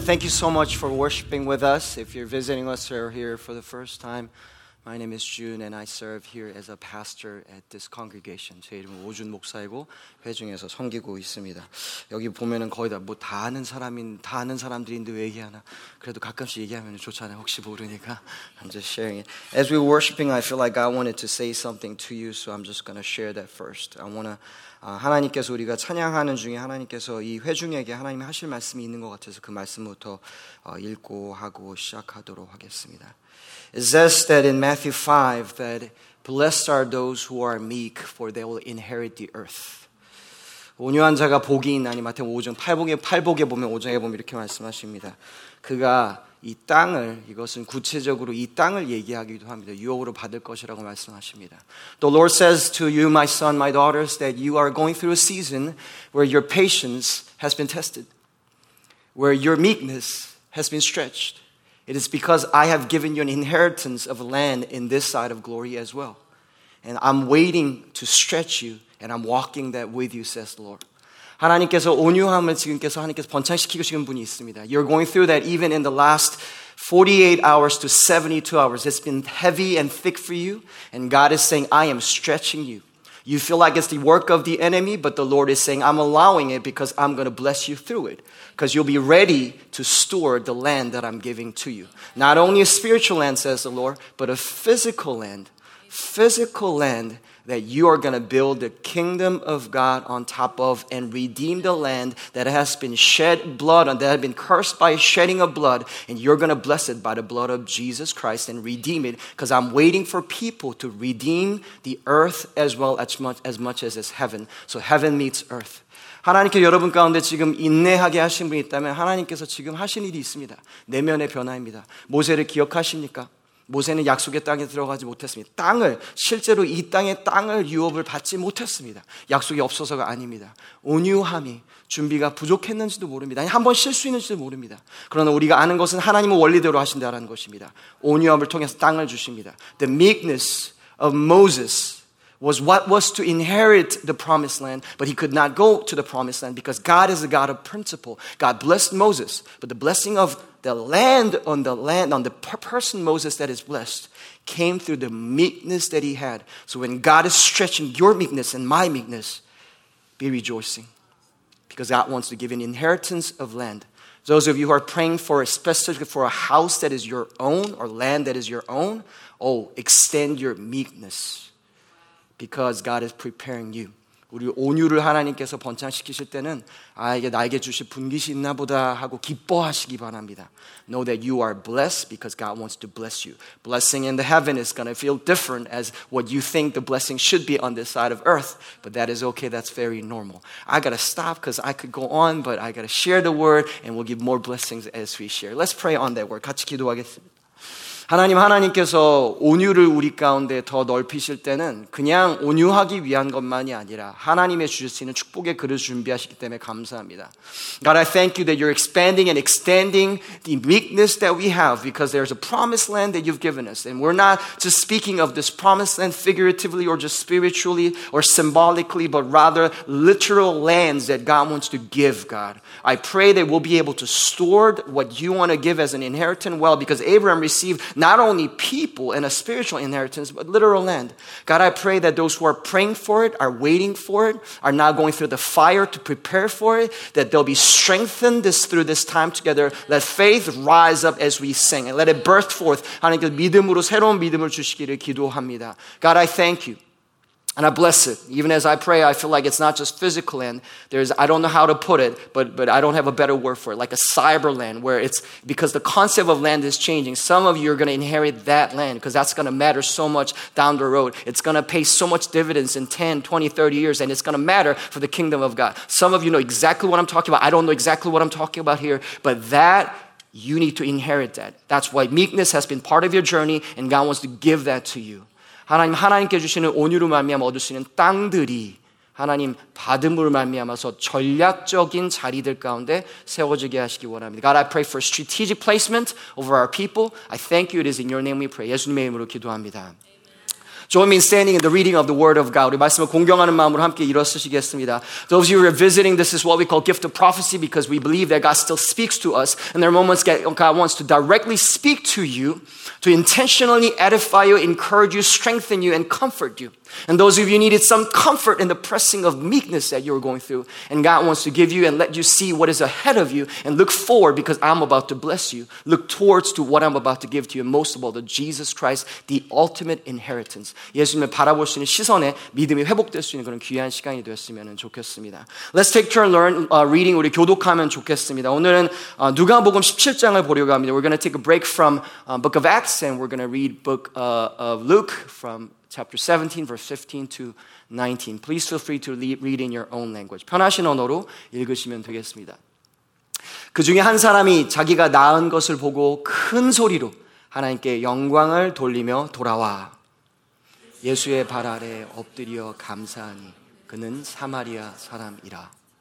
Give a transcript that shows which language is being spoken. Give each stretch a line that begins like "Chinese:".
English: Thank you so much for worshiping with us. If you're visiting us or here for the first time, my name is June and I serve here as a pastor at this congregation.
Korean: 제 이름은 오준 목사이고 회중에서 섬기고 있습니다. 여기 보면은 거의 다 아는 사람인 다 아는 사람들인데 왜 얘기하나? 그래도 가끔씩 얘기하면 좋잖아요. 혹시 모르니까.
English: I'm just sharing it. As we're worshiping, I feel like I wanted to say something to you, so I'm just going to share that first. I want to
Korean: 하나님께서 우리가 찬양하는 중에 하나님께서 이 회중에게 하나님이 하실 말씀이 있는 것 같아서 그 말씀부터 읽고 하고 시작하도록 하겠습니다.
English: It says that in Matthew 5 that blessed are those who are meek for they will inherit the earth.
Korean: 온유한 자가 복이 있나니 마태복음 5장 팔복에 보면 5장에 보면 이렇게 말씀하십니다. 그가 이 땅을 이것은 구체적으로 이 땅을 얘기하기도 합니다. 유업으로 받을 것이라고 말씀하십니다.
English: The Lord says to you, my son, my daughters, that you are going through a season where your patience has been tested, where your meekness has been stretched. It is because I have given you an inheritance of land in this side of glory as well. And I'm waiting to stretch you, and I'm walking that with you, says the Lord.
Korean: 하나님께서 온유함을 지금께서 하나님께서 번창시키고 싶은 분이 있습니다.
English: You're going through that even in the last 48 hours to 72 hours. It's been heavy and thick for you. And God is saying, I am stretching you. You feel like it's the work of the enemy, but the Lord is saying, I'm allowing it because I'm going to bless you through it. Because you'll be ready to steward the land that I'm giving to you. Not only a spiritual land, says the Lord, but a physical land. Physical land that you are going to build the kingdom of God on top of and redeem the land that has been shed blood on, that has been cursed by shedding of blood, and you're going to bless it by the blood of Jesus Christ and redeem it, because I'm waiting for people to redeem the earth as well as much as it's heaven. So heaven meets earth.
Korean: 하나님께 여러분 가운데 지금 인내하게 하신 분이 있다면 하나님께서 지금 하신 일이 있습니다. 내면의 변화입니다. 모세를 기억하십니까? 모세는 약속의 땅에 들어가지 못했습니다. 땅을 실제로 이 땅의 땅을 유업을 받지 못했습니다. 약속이 없어서가 아닙니다. 온유함이 준비가 부족했는지도 모릅니다. 아니 한번 실수했는지도 모릅니다. 그러나 우리가 아는 것은 하나님은 원리대로 하신다라는 것입니다. 온유함을 통해서 땅을 주십니다.
English: The meekness of Moses was what was to inherit the promised land, but he could not go to the promised land because God is a God of principle. God blessed Moses, but the blessing of the land on the land, on the person Moses that is blessed, came through the meekness that he had. So when God is stretching your meekness and my meekness, be rejoicing. Because God wants to give an inheritance of land. Those of you who are praying for a specific, for a house that is your own or land that is your own, oh, extend your meekness. Because God is preparing you.
Korean: 우리 온유를 하나님께서 번창시키실 때는 아 이게 나에게 주실 분깃이 있나 보다 하고 기뻐하시기 바랍니다.
English: Know that you are blessed because God wants to bless you. Blessing in the heaven is going to feel different as what you think the blessing should be on this side of earth. But that is okay. That's very normal. I got to stop because I could go on, but I got to share the word and we'll give more blessings as we share. Let's pray on that word.
Korean: 같이 기도하겠습니다. 하나님, 하나님께서 온유를 우리 가운데 더 넓히실 때는 그냥 온유하기 위한 것만이 아니라 하나님의 주실 수 있는 축복의 그릇을 준비하시기 때문에 감사합니다.
English: God, I thank you that you're expanding and extending the meekness that we have because there's a promised land that you've given us. And we're not just speaking of this promised land figuratively or just spiritually or symbolically, but rather literal lands that God wants to give, God. I pray that we'll be able to steward what you want to give as an inheritance well, because Abraham received not only people and a spiritual inheritance, but literal land. God, I pray that those who are praying for it, are waiting for it, are now going through the fire to prepare for it, that they'll be strengthened through this time together. Let faith rise up as we sing and let it burst forth.
Korean: 하나님께서 믿음으로 새로운 믿음을 주시기를 기도합니다.
English: God, I thank you. And I bless it. Even as I pray, I feel like it's not just physical land. There's, I don't know how to put it, but I don't have a better word for it. Like a cyber land where it's, because the concept of land is changing. Some of you are going to inherit that land because that's going to matter so much down the road. It's going to pay so much dividends in 10, 20, 30 years, and it's going to matter for the kingdom of God. Some of you know exactly what I'm talking about. I don't know exactly what I'm talking about here, but that you need to inherit that. That's why meekness has been part of your journey, and God wants to give that to you.
Korean: 하나님, 하나님께 주시는 온유로 말미암아 얻을 수 있는 땅들이 하나님 받음으로 말미암아서 전략적인 자리들 가운데 세워지게 하시기 원합니다.
English: God, I pray for strategic placement over our people. I thank you. It is in your name we pray.
Korean: 예수님의 이름으로 기도합니다.
English: Join me in standing in the reading of the Word of God.
Korean: 우리 말씀을 공경하는 마음으로 함께 일어서시겠습니다.
English: Those of you who are visiting, this is what we call gift of prophecy because we believe that God still speaks to us and there are moments that God wants to directly speak to you to intentionally edify you, encourage you, strengthen you, and comfort you. And those of you needed some comfort in the pressing of meekness that you were going through, and God wants to give you and let you see what is ahead of you and look forward because I'm about to bless you. Look towards to what I'm about to give to you, and most of all, the Jesus Christ, the ultimate inheritance.
Korean: 예수님을 바라볼 수 있는 시선에 믿음이 회복될 수 있는 그런 귀한 시간이 되었으면 좋겠습니다.
English: Let's take turn learn reading
Korean: 우리 교독하면 좋겠습니다. 오늘은 누가복음 17장을 보려고 합니다.
English: We're going to take a break from Book of Acts and we're going to read Book of Luke from Chapter 17, verse 15 to 19. Please feel free to read in your own language.
Korean: 편하신 언어로 읽으시면 되겠습니다. 그 중에 한 사람이 자기가 낳은 것을 보고 큰 소리로 하나님께 영광을 돌리며 돌아와 예수의 발 아래 엎드려 감사하니 그는 사마리아 사람이라.